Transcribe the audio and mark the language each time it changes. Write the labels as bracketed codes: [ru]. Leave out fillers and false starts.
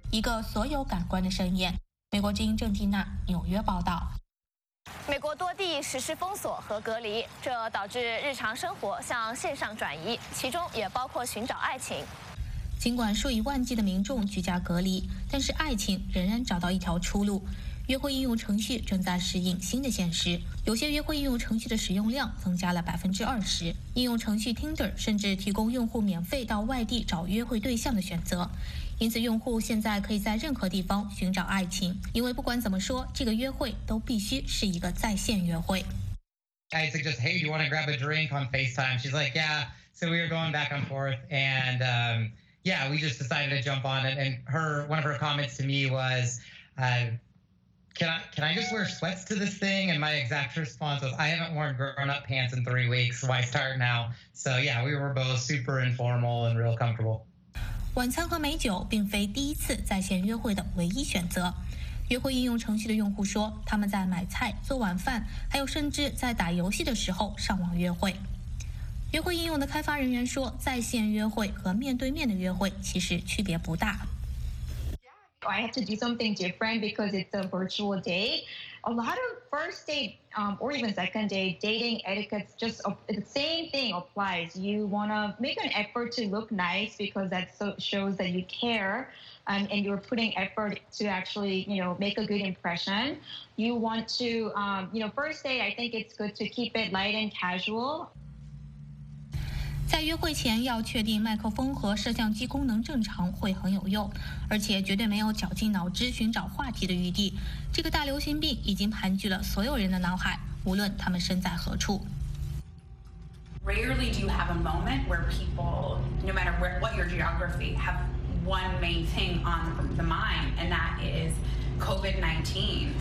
[zh] 一个所有感官的盛宴，美国之音郑蒂娜，纽约报道。美国多地实施封锁和隔离，这导致日常生活向线上转移，其中也包括寻找爱情。尽管数以万计的民众居家隔离，但是爱情仍然找到一条出路。约会应用程序正在适应新的现实，有些约会应用程序的使用量增加了20%。应用程序 Tinder 甚至提供用户免费到外地找约会对象的选择，因此用户现在可以在任何地方寻找爱情。因为不管怎么说，这个约会都必须是一个在线约会。 [en] I think just hey, do you want to grab a drink on FaceTime? She's like, yeah. So we were going back and forth, and yeah, we just decided to jump on it. And her one of her comments to me was. Can I just wear sweats to this thing? And my exact response was, I haven't worn grown-up pants in 3 weeks. Why start now? So yeah, we were both super informal and real comfortable. [zh] 晚餐和美酒并非第一次在线约会的唯一选择。约会应用程序的用户说，他们在买菜、做晚饭，还有甚至在打游戏的时候上网约会。约会应用的开发人员说，在线约会和面对面的约会其实区别不大。 [en] I have to do something different because it's a virtual date. A lot of first date, or even second date, dating etiquette's just the same thing applies. You want to make an effort to look nice because that shows that you care, and you're putting effort to actually, you know, make a good impression. You want to, you know, first date, I think it's good to keep it light and casual. [zh] 在约会前要确定麦克风和摄像机功能正常会很有用，而且绝对没有绞尽脑汁寻找话题的余地。这个大流行病已经盘踞了所有人的脑海，无论他们身在何处。 [en] Rarely do you have a moment where people, no matter where, what your geography, have one main thing on the mind, and that is COVID-19.